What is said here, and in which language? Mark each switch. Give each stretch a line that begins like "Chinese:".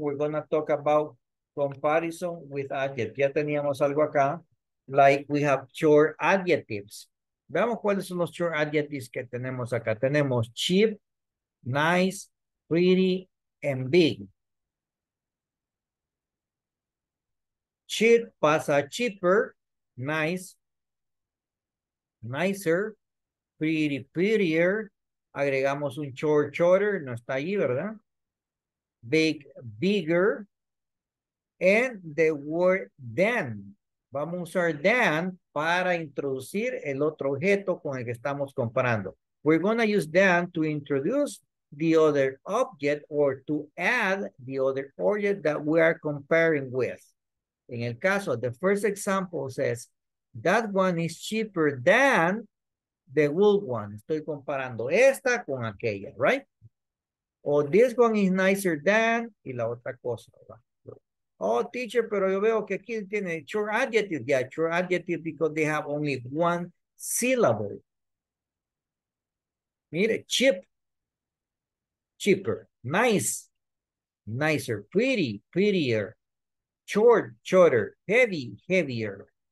English: We're going to talk about comparison with adjectives.
Spanish: Ya teníamos algo acá,
English: like we have short adjectives.
Spanish: Veamos cuáles son los short adjectives que tenemos acá. Tenemos cheap, nice, pretty, and big. Cheap pasa cheaper, nice, nicer, pretty, prettier. Agregamos un short, shorter, no está ahí, ¿verdad?
English: Big, bigger. And the word than.
Spanish: Vamos a usar than para introducir el otro objeto con el que estamos comparando.
English: We're going to use than to introduce the other object or to add the other object that we are comparing with.
Spanish: En el caso,
English: the first example says, that one is cheaper than the wool one.
Spanish: Estoy comparando esta con aquella, right? O
English: this one is nicer than,
Spanish: y la otra cosa, ¿verdad? Oh, teacher, pero yo veo que aquí tiene short adjectives.
English: Yeah, short adjectives because they have only one syllable. Mire, cheap, cheaper, nice, nicer, pretty, prettier, short, shorter, heavy, heavier.